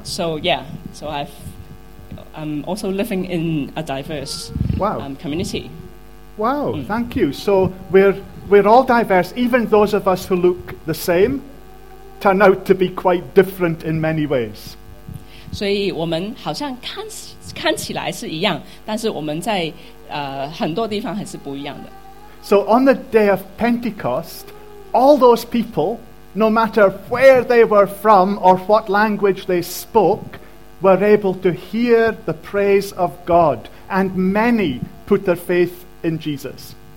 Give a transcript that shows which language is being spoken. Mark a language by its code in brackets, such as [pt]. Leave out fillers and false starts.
[en] So yeah, so I'm also living in a diverse community. Wow, thank you. So we're all diverse, even those of us who look the same turn out to be quite different in many ways. [zh] 所以我们好像看起来是一样，但是我们在很多地方还是不一样的。 [en] So on the day of Pentecost, all those people, no matter where they were from or what language they spoke, were able to hear the praise of God, and many put their faith in Jesus.